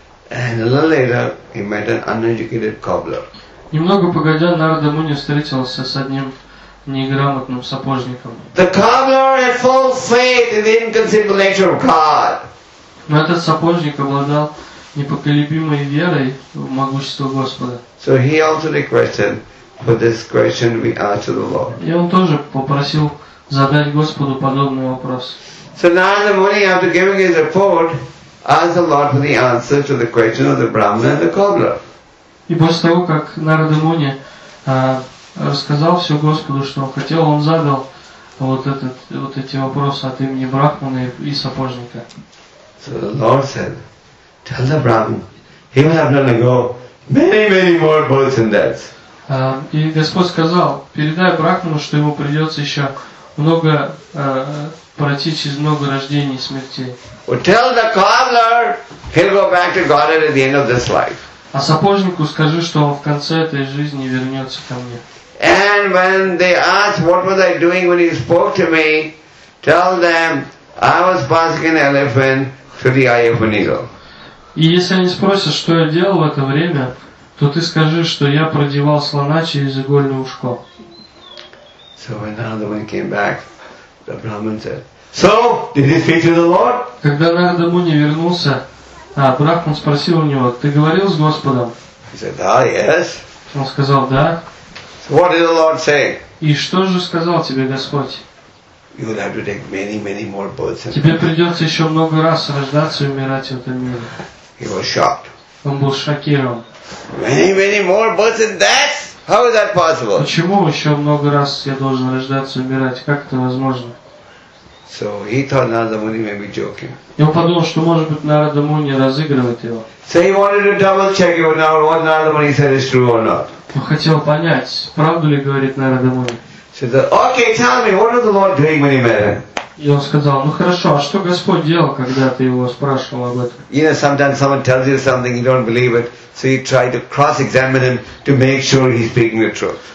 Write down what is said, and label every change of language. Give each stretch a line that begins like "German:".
English: And a little later, he met an uneducated cobbler.
Russian: Немного погодя, Нарада Муни встретился с одним неграмотным сапожником.
English: The cobbler had full faith in the inconceivable nature of God.
Russian: Но этот сапожник обладал непоколебимой верой в могущество Господа.
English: So he also requested for this question we ask to the Lord.
Russian: И он тоже попросил задать Господу подобный вопрос.
English: So Narada Muni, after giving his report, asked the Lord for the answer to the question of the Brahmin and the cobbler.
Russian: И после того, как Нарада Муни рассказал все Господу, что он хотел, он задал эти вопросы от имени Брахмана и сапожника.
English: So the Lord said, tell the Brahmin, he will have to go many, many more births and deaths.
Russian: И Господь сказал, передай Брахману, что ему придется еще много пройти через много рождений и смертей.
English: Well, tell the cobbler, he'll go back to God at the end of this life.
Russian: А сапожнику скажи, что он в конце этой жизни вернется ко мне.
English: And when they asked what was I doing when he spoke to me, tell them I was passing an elephant through the eye of an eagle.
Russian: И если они спросят, что я делал в это время, то ты скажи, что я продевал слона через игольное ушко.
English: So when Narada Muni came back, the Brahmin said, so, did he speak to the Lord?
Russian: Когда Нарада Муни вернулся, брахман спросил у него, ты говорил с Господом?
English: He said, ah, yes.
Russian: Он сказал, да.
English: What did the Lord say?
Russian: И что же сказал тебе Господь?
English: You will have to take many, many more births.
Russian: Тебе придется еще много раз рождаться и умирать в этом мире.
English: He was shocked.
Russian: Он был шокирован.
English: Many, many more births than that? How is that possible?
Russian: Почему еще много раз я должен рождаться и умирать? Как это возможно?
English: So he thought Narada Muni may be joking.
Russian: И он подумал, что может быть Нарада Муни разыгрывает его.
English: So he wanted to double check if what Narada Muni said is true or not.
Russian: Он хотел понять, правду ли говорит Нарада Муни.
English: Okay, tell me, what was the Lord doing when he met him?
Russian: И он сказал, ну хорошо, а что Господь делал, когда ты его спрашивал об этом?
English: You know, sometimes someone tells you something, you don't believe it, so you try to cross-examine him to make sure he's speaking the truth.